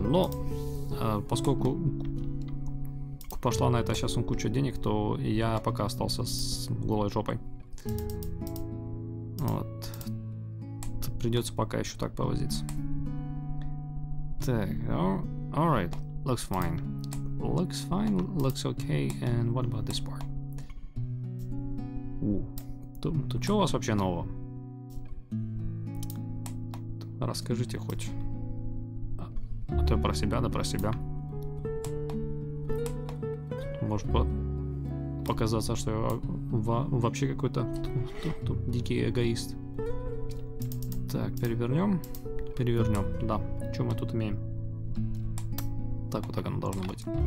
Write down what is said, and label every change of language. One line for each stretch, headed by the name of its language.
Russian: Но поскольку пошла на это сейчас куча денег, то я пока остался с голой жопой. Вот. Придется пока еще так повозиться. Так,
English: alright, looks fine. Looks fine, looks okay, and what about this part?
Russian: То что у вас вообще нового? Расскажите хоть. работаю про себя, да про себя. Может показаться, что я вообще какой-то дикий эгоист. Так, перевернем. Перевернем, да. Что мы тут имеем? Так вот так оно должно быть.